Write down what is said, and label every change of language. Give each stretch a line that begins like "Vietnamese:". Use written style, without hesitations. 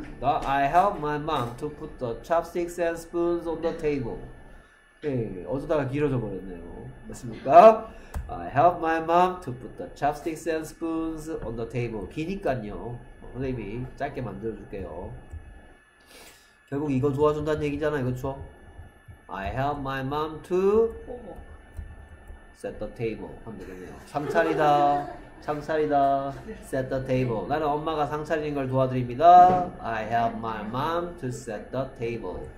English: The, I help my mom to put the chopsticks and spoons on the table.
Korean: 네, 어쩌다가 길어져 버렸네요. 맞습니까?
English: I help my mom to put the chopsticks and spoons on the table.
Korean: 기니까요. 선생님이 짧게 만들어줄게요. 결국 이거 도와준다는 얘기잖아요. 그쵸?
English: I help my mom to set the table.
Korean: 하면 되겠네요. 상차리다. 상차리다.
English: Set the table.
Korean: 나는 엄마가 상차리는 걸 도와드립니다.
English: I help my mom to set the table.